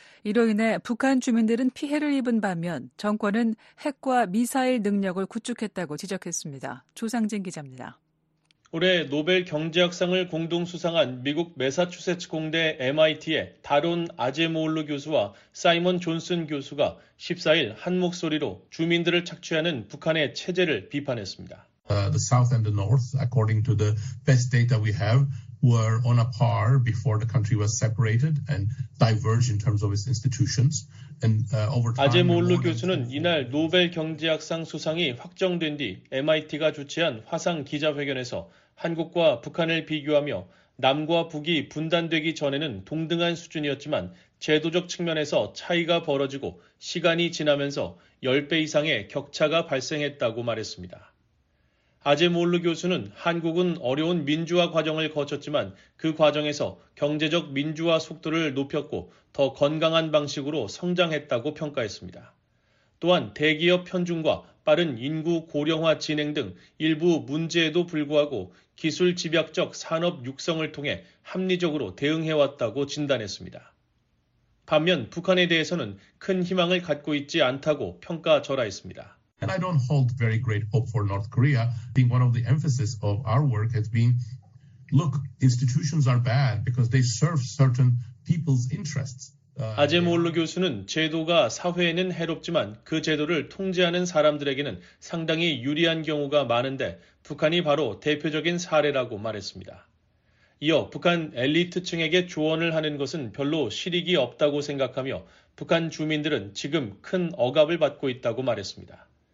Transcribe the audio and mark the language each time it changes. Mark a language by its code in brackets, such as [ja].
[ko] 이로 인해 북한 주민들은 피해를 입은 반면 정권은 핵과 미사일 능력을 구축했다고 지적했습니다. 조상진 기자입니다. 올해 노벨 경제학상을 공동 수상한 미국 매사추세츠 공대 MIT의 다론 아제모올루 교수와 사이먼 존슨 교수가 14일 한 목소리로 주민들을 착취하는 북한의 체제를 비판했습니다. [en] The south and the north, according to the best data we have, were on a par before the country was separated and diverged in terms of its institutions. And over time, [ko] 아제모올루 교수는 이날 노벨 경제학상 수상이 확정된 뒤 MIT가 주최한 화상 기자회견에서 한국과 북한을 비교하며 남과 북이 분단되기 전에는 동등한 수준이었지만 제도적 측면에서 차이가 벌어지고 시간이 지나면서 10배 이상의 격차가 발생했다고 말했습니다. 아제모올루 교수는 한국은 어려운 민주화 과정을 거쳤지만 그 과정에서 경제적 민주화 속도를 높였고 더 건강한 방식으로 성장했다고 평가했습니다. 또한 대기업 편중과 빠른 인구 고령화 진행 등 일부 문제에도 불구하고 기술 집약적 산업 육성을 통해 합리적으로 대응해왔다고 진단했습니다. 반면 북한에 대해서는 큰 희망을 갖고 있지 않다고 평가절하했습니다. [en] And I don't hold very great hope for North Korea. I think one of the emphasis of our work has been, look, institutions are bad because they serve certain people's interests. [ko] 아제모올루 교수는 제도가 사회에는 해롭지만 그 제도를 통제하는 사람들에게는 상당히 유리한 경우가 많은데 북한이 바로 대표적인 사례라고 말했습니다. 이어 북한 엘리트층에게 조언을 하는 것은 별로 실익이 없다고 생각하며 북한 주민들은 지금 큰 억압을 받고 있다고 말했습니다.